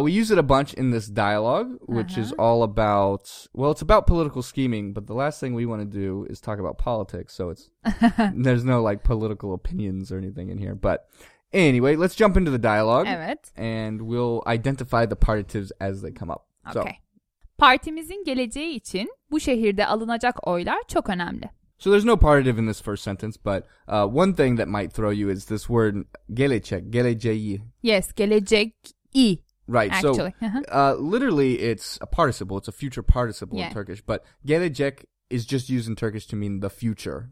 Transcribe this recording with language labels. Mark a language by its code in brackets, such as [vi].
[en] We use it a bunch in this dialogue, which uh-huh. is all about, well, it's about political scheming, but the last thing we want to do is talk about politics. So it's there's no like political opinions or anything in here. But anyway, let's jump into the dialogue. [tr] Evet. [en] And we'll identify the partitives as they come up. Okay. [tr] So, partimizin geleceği için bu şehirde alınacak oylar çok önemli. [en] So there's no partitive in this first sentence, but one thing that might throw you is this word gelecek, geleceği. Yes, geleceği. Right, actually. So literally it's a participle, it's a future participle yeah. in Turkish, but gelecek is just used in Turkish to mean the future.